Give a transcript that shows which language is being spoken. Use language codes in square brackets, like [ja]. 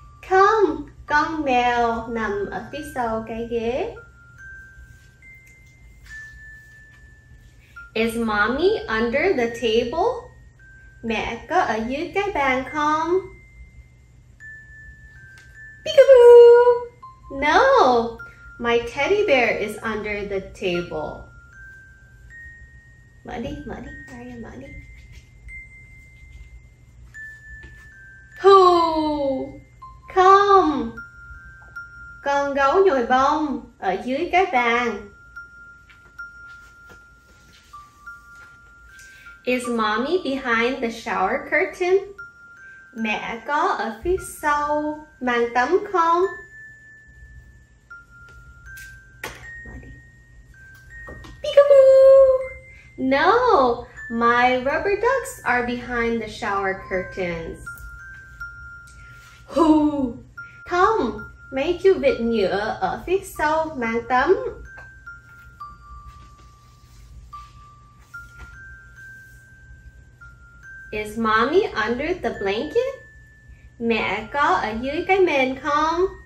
[en] Come. [vi] Con mèo nằm ở phía sau cái ghế. [en] Is mommy under the table? [vi] Mẹ có ở dưới cái bàn không? [en] Peek-a-boo! No, my teddy bear is under the table. [vi] Mở đi. Sorry, mở đi. [en] Come. [vi] Con gấu nhồi bông ở dưới cái bàn. [en] Is mommy behind the shower curtain? [vi] Mẹ có ở phía sau màn tắm không? [en] Peek-a-boo! No, my rubber ducks are behind the shower curtains. Hoo! [vi] Tom, mấy chú vịt nhựa ở phía sau màn tắm. [en] Is mommy under the blanket? [vi] Mẹ có ở dưới cái mền không?